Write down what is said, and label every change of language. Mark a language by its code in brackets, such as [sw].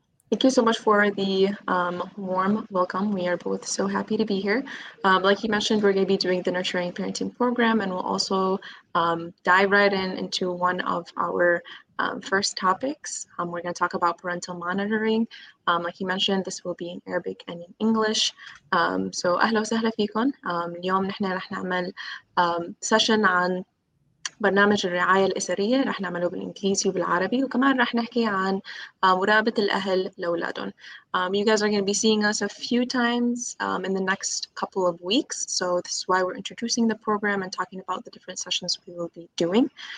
[en] Thank you so much for the warm welcome. We are both so happy to be here. Like you mentioned, we're going to be doing the Nurturing Parenting Program, and we'll also dive right in into one of our first topics. We're going to talk about parental monitoring. Like you mentioned, this will be in Arabic and in English. [ar] So, أهلا وسهلا فيكم. اليوم نحن رح نعمل session عن برنامج الرعاية الأسرية رح نعمله بالإنجليزي وبالعربي وكمان رح نحكي عن مرابة الأهل لأولادهم. [en] You guys are going to be seeing us a few times in the next couple of weeks, so this is why we're introducing the program and talking about the different sessions we will be doing.